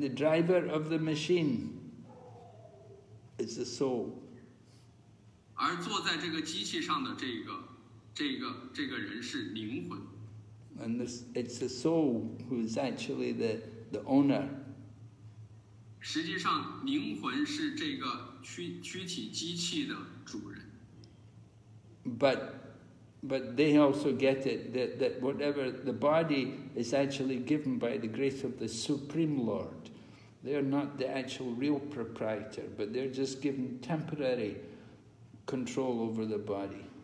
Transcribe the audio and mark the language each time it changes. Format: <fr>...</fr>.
<en>the driver of the machine is the soul.</en> <zh>而坐在这个机器上的这个人是灵魂。</zh> <en>And this, it's the soul who is actually the owner.</en> <zh>实际上，灵魂是这个躯体机器的主人。</zh> <en>But they also get it that whatever the body is actually given by the grace of the Supreme Lord, they are not the actual real proprietor, but they're just given temporary control over the body.</en>